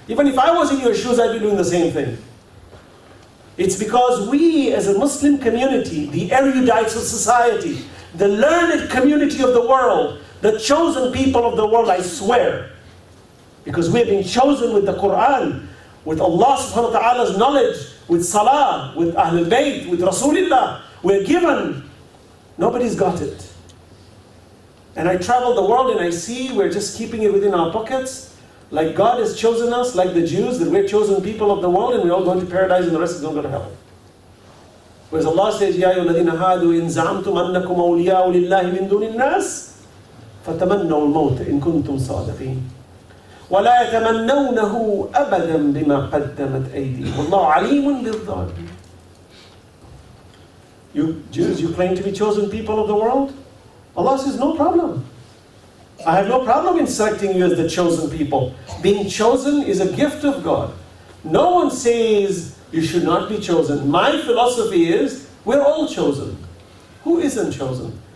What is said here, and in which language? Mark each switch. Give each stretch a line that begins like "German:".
English: Even if I was in your shoes, I'd be doing the same thing. It's because we, as a Muslim community, the erudites of society, the learned community of the world, the chosen people of the world, I swear, because we have been chosen with the Quran, with Allah subhanahu wa ta'ala's knowledge, with Salah, with Ahlul Bayt, with Rasulullah, we're given. Nobody's got it. And I travel the world and I see we're just keeping it within our pockets. Like God has chosen us, like the Jews, that we're chosen people of the world and we're all going to paradise and the rest is going to go to hell.
Arabic: Whereas Allah says, يَا أَيُّهَا الَّذِينَ هَادُوا إِنْ زَعَمْتُمْ أَنَّكُمْ أَوْلِيَاءُ لِلَّهِ مِنْ دُونِ النَّاسِ فَتَمَنَّوا الْمَوْتَ إِنْ كُنْتُمْ صَادِقِينَ وَلَا يَتَمَنَّوْنَهُ أَبَدًا بِمَا قَدَّمَتْ أَيْدِيهِ وَاللَّهُ عَلِيمٌ بِالظَّالِمِينَ.
English: You Jews, you claim to be chosen people of the world? Allah says, no problem. I have no problem in selecting you as the chosen people. Being chosen is a gift of God. No one says you should not be chosen. My philosophy is, we're all chosen. Who isn't chosen?